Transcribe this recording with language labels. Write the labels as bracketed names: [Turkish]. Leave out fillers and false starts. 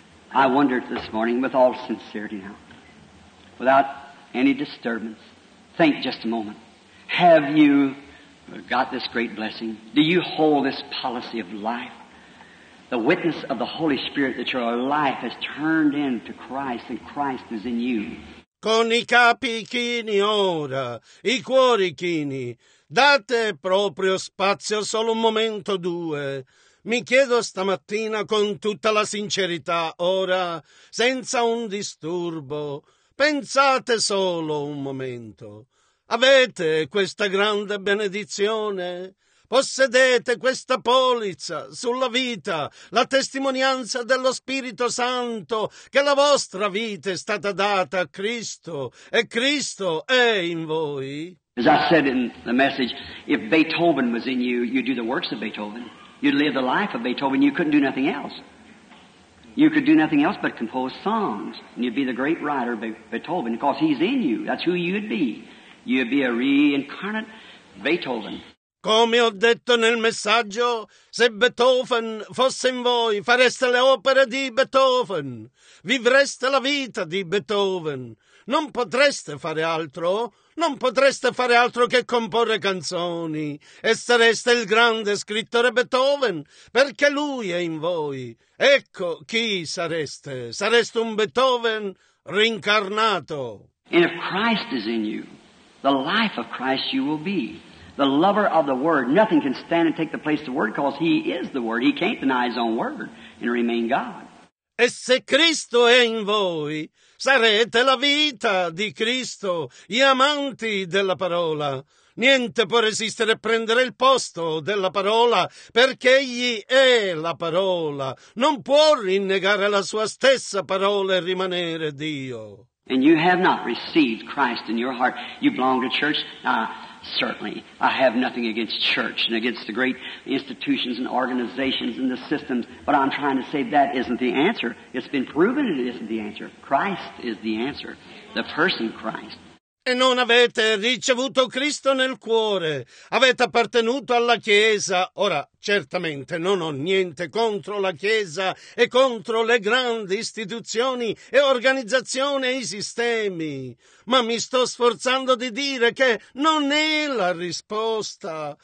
[English] I wondered this morning with all sincerity now, without any disturbance. Think just a moment. Have you got this great blessing? Do you hold this policy of life? The witness of the Holy Spirit that your life has turned into Christ and Christ is in you. [Italian] Con i capi chini ora, i cuori chini, date proprio spazio solo un momento o due. Mi chiedo stamattina con tutta la sincerità, ora, senza un disturbo, pensate solo un momento. Avete questa grande benedizione? Possedete questa polizza sulla vita, la testimonianza dello Spirito Santo che la vostra vita è stata data a Cristo e Cristo è in voi? [English] As I said in the message, if Beethoven was in you, you'd do the works of Beethoven. You'd live the life of Beethoven. You couldn't do nothing else. You could do nothing else but compose songs. And you'd be the great writer, Beethoven, because he's in you. That's who you'd be. You'd be a reincarnate Beethoven. [Italian] Come ho detto nel messaggio, se Beethoven fosse in voi, fareste le opere di Beethoven, vivreste la vita di Beethoven. Non potreste fare altro, non potreste fare altro che comporre canzoni, e sareste il grande scrittore Beethoven, perché lui è in voi. Ecco chi sareste, sareste un Beethoven reincarnato. [English] And if Christ is in you, the life of Christ you will be. The lover of the Word. Nothing can stand and take the place of the Word, because He is the Word. He can't deny His own Word and remain God. [Italian] E se Cristo è in voi, sarete la vita di Cristo, gli amanti della parola. Niente può resistere a prendere il posto della parola, perché Egli è la parola. Non può rinnegare la sua stessa parola e rimanere Dio. [English] And you have not received Christ in your heart. You belong to church. Certainly, I have nothing against church and against the great institutions and organizations and the systems, but I'm trying to say that isn't the answer. It's been proven it isn't the answer. Christ is the answer, the person Christ. [Italian] E non avete ricevuto Cristo nel cuore, avete appartenuto alla Chiesa. Ora, certamente non ho niente contro la Chiesa e contro le grandi istituzioni e organizzazioni e i sistemi, ma mi sto sforzando di dire che non è la risposta.